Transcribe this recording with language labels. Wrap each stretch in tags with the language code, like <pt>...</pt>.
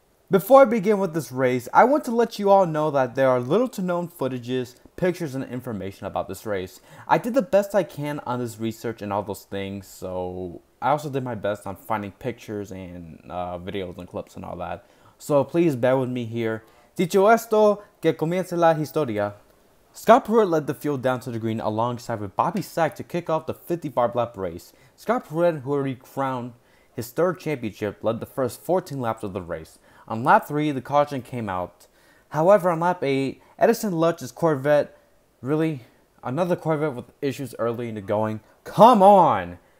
<en>Before I begin with this race, I want to let you all know that there are little to known footages, pictures, and information about this race. I did the best I can on this research and all those things, so I also did my best on finding pictures and videos and clips and all that. So please bear with me here.</en> <es>Dicho esto, que comience la historia.</es> <en>Scott Pruitt led the field down to the green alongside with Bobby Sack to kick off the 55 lap race. Scott Pruitt, who already crowned his third championship, led the first 14 laps of the race. On lap 3, the caution came out. However, on lap 8, Edison Lutz's Corvette, really, another Corvette with issues early in the going. Come on!</en>